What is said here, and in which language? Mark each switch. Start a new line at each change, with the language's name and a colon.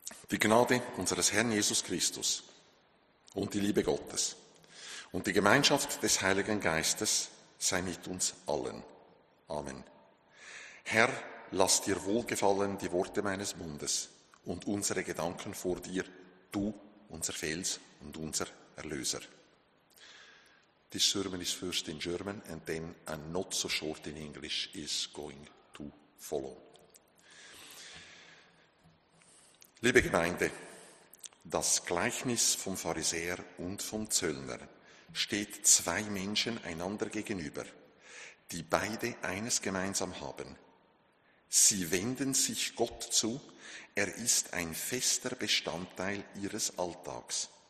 German: Die Gnade unseres Herrn Jesus Christus und die Liebe Gottes und die Gemeinschaft des Heiligen Geistes sei mit uns allen. Amen. Herr, lass dir wohlgefallen die Worte meines Mundes und unsere Gedanken vor dir, du, unser Fels und unser Erlöser.
English: This sermon is first in German and then and not so short in English is going to follow.
German: Liebe Gemeinde, das Gleichnis vom Pharisäer und vom Zöllner steht zwei Menschen einander gegenüber, die beide eines gemeinsam haben. Sie wenden sich Gott zu, er ist ein fester Bestandteil ihres Alltags.